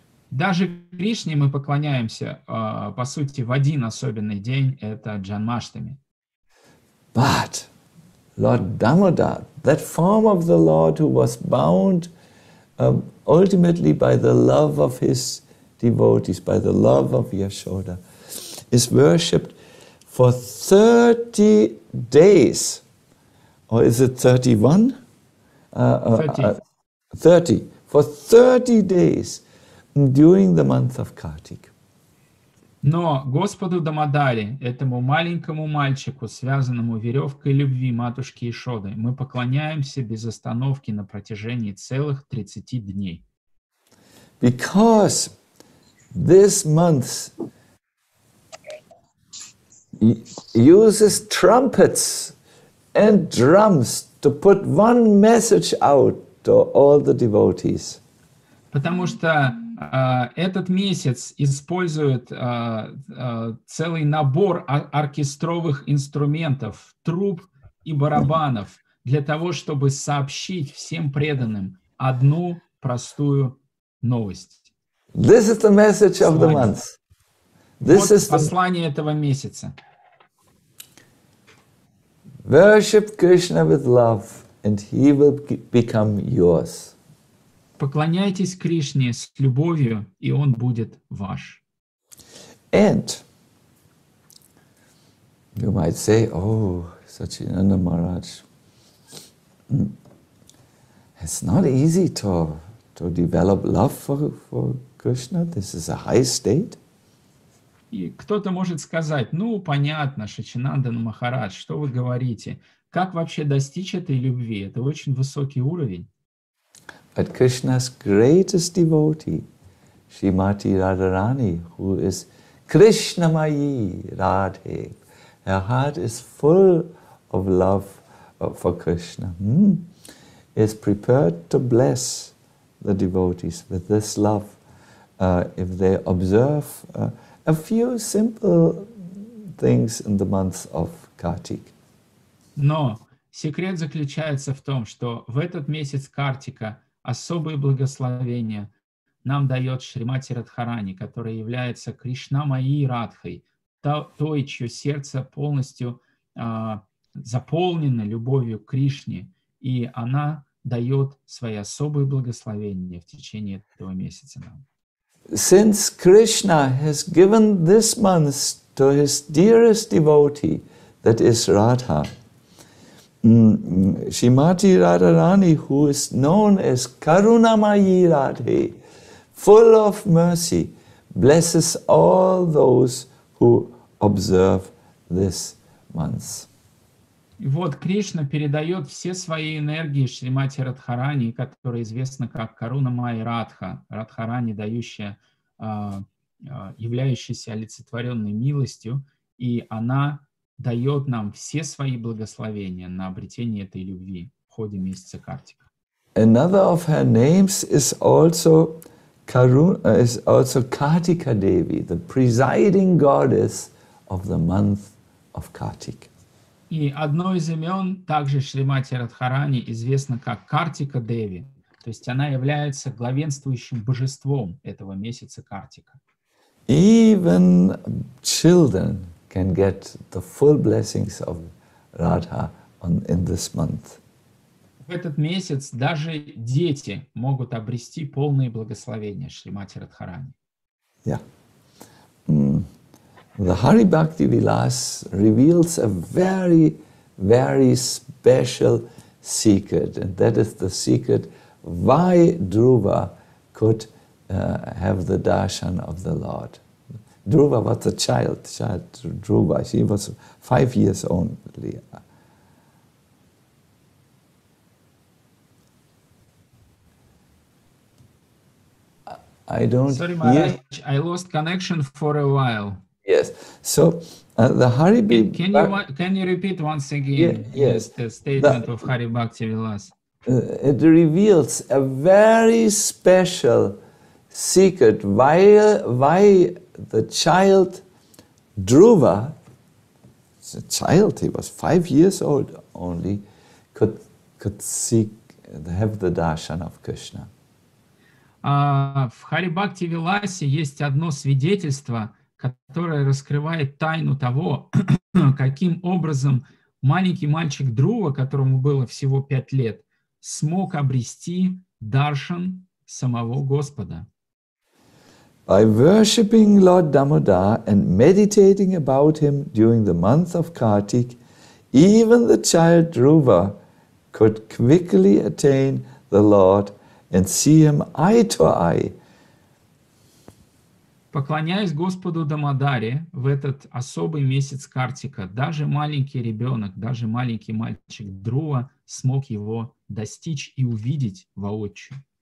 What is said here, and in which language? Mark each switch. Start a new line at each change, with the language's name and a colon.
Russian: Даже Кришне мы поклоняемся, по сути, в один особенный день, это Джанмаштами.
English: But Lord Damodar, that form of the Lord who was bound ultimately by the love of his devotees, by the love of Yashoda, is worshipped for 30 days. Or is it 31? 30. For 30 days. During the month of Kartik.
Russian: Но Господу Дамодаре, этому маленькому мальчику, связанному веревкой любви матушки Ишоды, мы поклоняемся без остановки на протяжении целых 30 дней.
English: Because this month uses trumpets and drums to put one message out to all the devotees.
Russian: Потому что этот месяц использует целый набор оркестровых инструментов, труб и барабанов для того, чтобы сообщить всем преданным одну простую новость.
English: This is the message of the month. This is
Russian: послание этого месяца.
English: Worship Krishna with love, and he will become yours.
Russian: Поклоняйтесь Кришне с любовью, и Он будет ваш.
English: And you might say, oh, Satchinanda Maharaj, it's not easy to develop love for Krishna. This is a high state.
Russian: И кто-то может сказать, ну, понятно, Шачинанда Махарадж, что вы говорите? Как вообще достичь этой любви? Это очень высокий уровень.
English: But Krishna's greatest devotee, Srimati Radharani, who is Krishnamayi Radhe, her heart is full of love for Krishna, is prepared to bless the devotees with this love if they observe a few simple things in the month of Kartik.
Russian: Но секрет заключается в том, что в этот месяц Картика особое благословение нам дает Шримати Радхарани, которая является Кришнамайи Радхой, той, чье сердце полностью заполнено любовью к Кришне, и она дает свои особые благословения в течение этого месяца нам.
English: Since Krishna has given this month to his dearest devotee, that is Radha, Srimati Radharani, who is known as Karunamayi Radhe, full of mercy, blesses all those who observe this month.
Russian: Вот Кришна передает все свои энергии Шримати Радхарани, которая известна как Карунамайи Радха, Радхарани, дающая, являющаяся олицетворенной милостью, и она дает нам все свои благословения на обретение этой любви в ходе месяца Картика.
English: Another of her names is also Kartika Devi, the presiding goddess of the month of Kartik.
Russian: И одно из имен также Шримати Радхарани известно как Картика Деви, то есть она является главенствующим божеством этого месяца Картика.
English: Even children can get the full blessings of Radha in this month.
Russian: В этот месяц даже дети могут обрести полные благословения Шримати Радхарани.
English: Yeah. The Hari Bhakti Vilas reveals a very, very special secret, and that is the secret why Dhruva could have the darshan of the Lord. Dhruva was a child, Dhruva. She was 5 years only. Sorry, Maharaj, I lost connection for a while. Yes. So the Hari Bhakti. Can you repeat once again the statement of Hari Bhakti Vilas? It reveals a very special secret. Why the child Dhruva, a child, he was 5 years old only, could seek have the darshan of Krishna.
Russian: В Хари Бхакти Виласе есть одно свидетельство, которое раскрывает тайну того, каким образом маленький мальчик Друва, которому было всего 5 лет, смог обрести даршан самого Господа.
English: By worshipping Lord Damodar and meditating about him during the month of Kartik, even the child Dhruva could quickly attain the Lord and see him eye to eye.
Russian: Поклоняюсь Господу Дамодаре в этот особый месяц Картика. Даже маленький ребенок, даже маленький мальчик Друва смог его достичь и увидеть воочию.